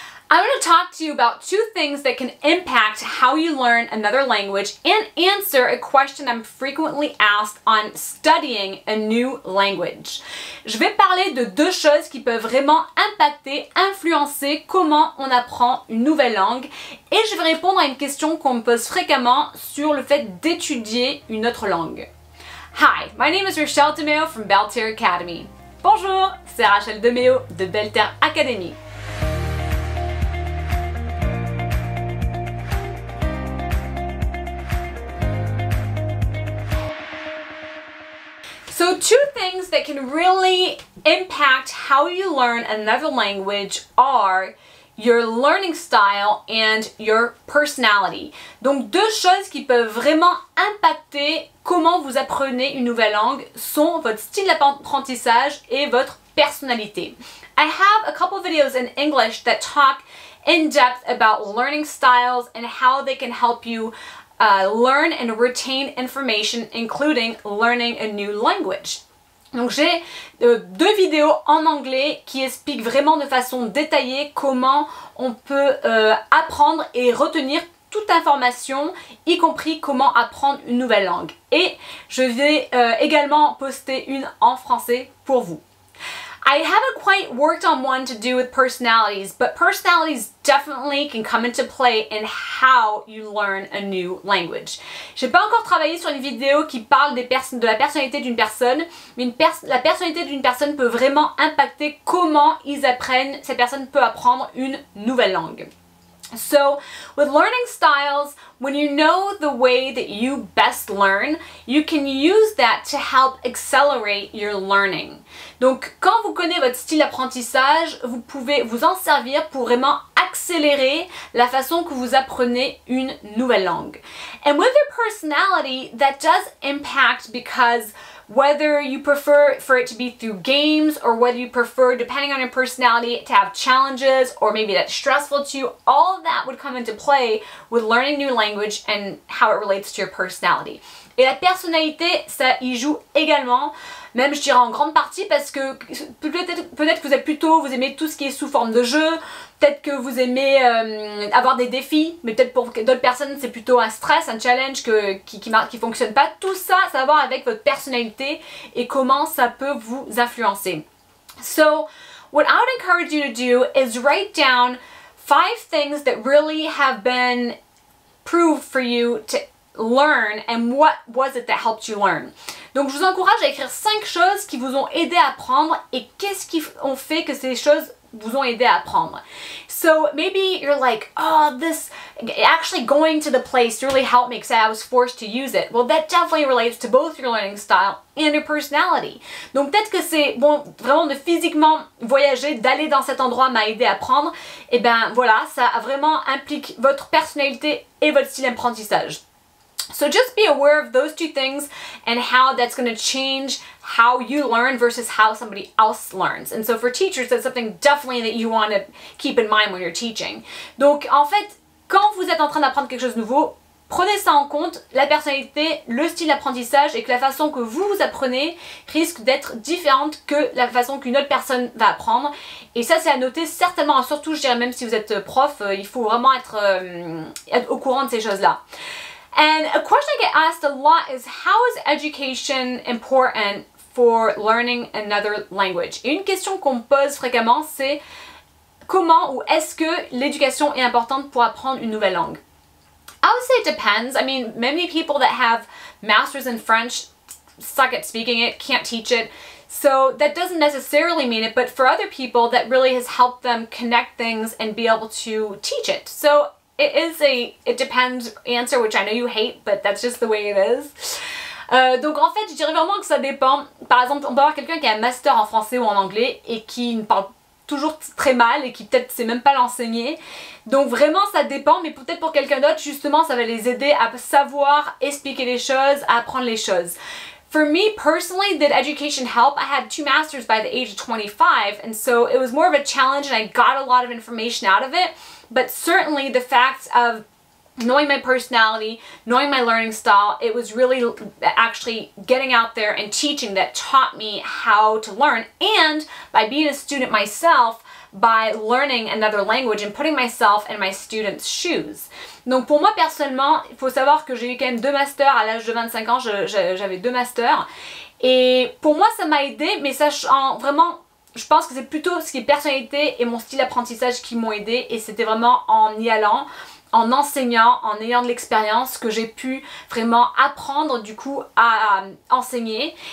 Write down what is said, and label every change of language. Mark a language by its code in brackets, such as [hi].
[en] I'm going to talk to you about two things that can impact how you learn another language and answer a question I'm frequently asked on studying a new language. [fr] Je vais parler de deux choses qui peuvent vraiment impacter, influencer comment on apprend une nouvelle langue et je vais répondre à une question qu'on me pose fréquemment sur le fait d'étudier une autre langue. [en] Hi, my name is Rachèle DeMeo from Belter Academy. [fr] Bonjour, c'est Rachèle DeMeo de Belter Academy. [en] So two things that can really impact how you learn another language are your learning style and your personality. [fr] Donc deux choses qui peuvent vraiment impacter comment vous apprenez une nouvelle langue sont votre style d'apprentissage et votre personnalité. [en] I have a couple videos in English that talk in depth about learning styles and how they can help you learn and retain information, including learning a new language. [fr] Donc j'ai deux vidéos en anglais qui expliquent vraiment de façon détaillée comment on peut apprendre et retenir toute information, y compris comment apprendre une nouvelle langue. Et je vais également poster une en français pour vous. [en] I haven't quite worked on one to do with personalities, but personalities definitely can come into play in how you learn a new language. [fr] J'ai pas encore travaillé sur une vidéo qui parle de la personnalité d'une personne, mais la personnalité d'une personne peut vraiment impacter comment ils apprennent, cette personne peut apprendre une nouvelle langue. [en] So, with learning styles, when you know the way that you best learn, you can use that to help accelerate your learning. [fr] Donc, quand vous connaissez votre style d'apprentissage, vous pouvez vous en servir pour vraiment accélérer la façon que vous apprenez une nouvelle langue. [en] And with your personality, that does impact because whether you prefer for it to be through games or whether you prefer, depending on your personality, to have challenges or maybe that's stressful to you, all of that would come into play with learning new language and how it relates to your personality. [fr] Et la personnalité, ça y joue également, même je dirais en grande partie, parce que peut-être que vous aimez tout ce qui est sous forme de jeu, peut-être que vous aimez avoir des défis, mais peut-être pour d'autres personnes c'est plutôt un stress, un challenge qui fonctionne pas. Tout ça, ça a à voir avec votre personnalité et comment ça peut vous influencer. [en] So, what I would encourage you to do is write down five things that really have been proved for you to learn and what was it that helped you learn. [fr] Donc je vous encourage à écrire 5 choses qui vous ont aidé à apprendre et qu'est-ce qui ont fait que ces choses vous ont aidé à apprendre. [en] So maybe you're like, oh, this actually going to the place really helped me because I was forced to use it. Well, that definitely relates to both your learning style and your personality. [fr] Donc peut-être que c'est bon, vraiment de physiquement voyager, d'aller dans cet endroit m'a aidé à apprendre. Et ben voilà, ça vraiment implique votre personnalité et votre style d'apprentissage. [en] So just be aware of those two things and how that's going to change how you learn versus how somebody else learns. And so for teachers, that's something definitely that you want to keep in mind when you're teaching. [fr] Donc en fait, quand vous êtes en train d'apprendre quelque chose de nouveau, prenez ça en compte, la personnalité, le style d'apprentissage et que la façon que vous apprenez risque d'être différente que la façon qu'une autre personne va apprendre. Et ça, c'est à noter certainement, surtout je dirais même si vous êtes prof, il faut vraiment être au courant de ces choses-là. [en] And a question I get asked a lot is, how is education important for learning another language? [fr] Et une question qu'on me pose fréquemment, c'est comment ou est-ce que l'éducation est importante pour apprendre une nouvelle langue? [en] I would say it depends. I mean, many people that have masters in French suck at speaking it, can't teach it. So that doesn't necessarily mean it, but for other people, that really has helped them connect things and be able to teach it. So it is a it depends answer, which I know you hate, but that's just the way it is. [fr] Donc en fait, je dirais vraiment que ça dépend. Par exemple, on peut avoir quelqu'un qui a un master en français ou en anglais et qui ne parle toujours très mal et qui peut-être ne sait même pas l'enseigner. Donc vraiment, ça dépend, mais peut-être pour quelqu'un d'autre, justement, ça va les aider à savoir expliquer les choses, à apprendre les choses. [en] For me personally, did education help? I had 2 masters by the age of 25, and so it was more of a challenge and I got a lot of information out of it. But certainly the fact of knowing my personality, knowing my learning style, it was really actually getting out there and teaching that taught me how to learn. And by being a student myself, by learning another language and putting myself in my students' shoes. [fr] Donc pour moi personnellement, il faut savoir que j'ai eu quand même deux masters à l'âge de 25 ans, j'avais deux masters. Et pour moi ça m'a aidé, mais sachant vraiment, je pense que c'est plutôt ce qui est personnalité et mon style d'apprentissage qui m'ont aidé, et c'était vraiment en y allant, en enseignant, en ayant de l'expérience, que j'ai pu vraiment apprendre du coup à enseigner.